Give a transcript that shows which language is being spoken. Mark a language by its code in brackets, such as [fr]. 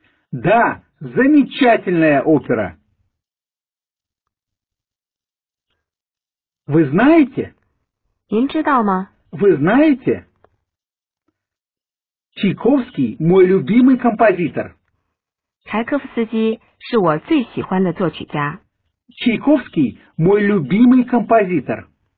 [ru] Да, замечательная опера. Вы знаете? [zh] 您知道吗？ [ru] Вы знаете? Чайковский – мой любимый композитор. [zh] Чайковский – 是我最喜欢的作曲家。 [ru] Чайковский – мой любимый композитор.